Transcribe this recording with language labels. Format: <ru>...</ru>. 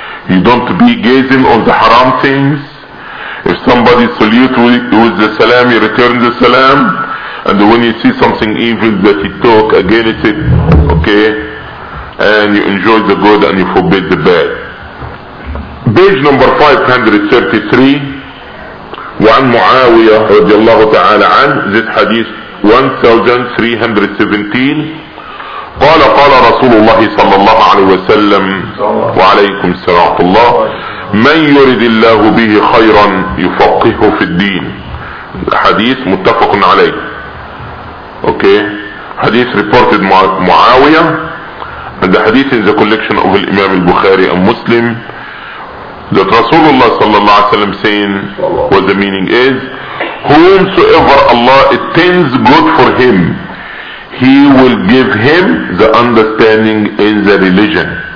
<en>You don't be gazing on the haram things. If somebody salutes with the salam, you return the salam. And when you see something evil that you talk again, it's it, okay? And you enjoy the good and you forbid the bad. Page number 533.</en> <ar>وعن معاوية رضي الله تعالى عن</ar> <en>this hadith 1317.</en> <ar>قال قال رسول الله صلى الله عليه وسلم وعليكم السلام الله من يرد الله به خيرا يفقهه في الدين. الحديث متفق عليه.</ar> <en>Okay, hadith reported Muawiyah, and the hadith in the collection of Imam al-Bukhari and Muslim, that Rasulullah sallallahu alayhi wa sallam saying, what the meaning is, whomsoever Allah intends good for him, he will give him the understanding in the religion.</en>